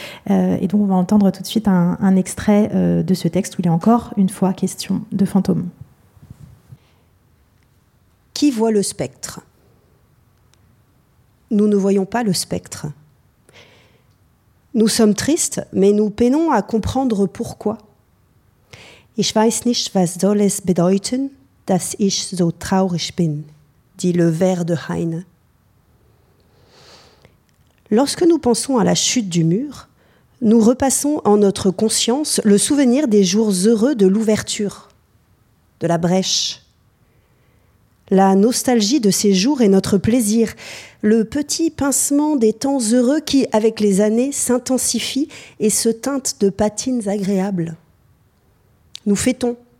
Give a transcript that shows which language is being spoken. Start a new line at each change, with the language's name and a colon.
French: Et donc on va entendre tout de suite un extrait de ce texte où il est encore une fois question de fantômes. Qui voit le spectre ? Nous ne voyons pas le spectre. Nous sommes tristes, mais nous peinons à comprendre pourquoi.
German: Ich weiß nicht, was soll es bedeuten, dass ich so traurig bin,
French: dit le vers de Heine. Lorsque nous pensons à la chute du mur, nous repassons en notre conscience le souvenir des jours heureux de l'ouverture, de la brèche. La nostalgie de ces jours est notre plaisir, le petit pincement des temps heureux qui, avec les années, s'intensifie et se teinte de patines agréables. Nous fêtons.